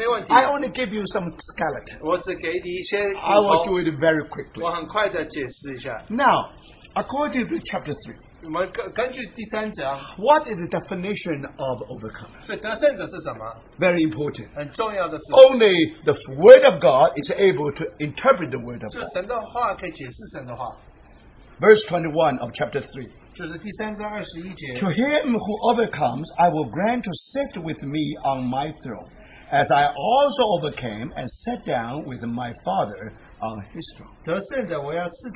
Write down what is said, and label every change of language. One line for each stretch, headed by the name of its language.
English: I only give you some skeleton. I will do it very quickly. Now, according to chapter 3,
Chinese: 我们根据第三者,
English: what is the definition of overcome?
Chinese: 所以得胜者是什么?
English: Very important.
Chinese: 很重要的是,
English: only the word of God is able to interpret the word of God.
Chinese: 就神的话可以解释神的话。
English: Verse 21 of chapter 3.
Chinese: 就是第三章21节,
English: to him who overcomes, I will grant to sit with me on my throne, as I also overcame and sat down with my Father on his throne.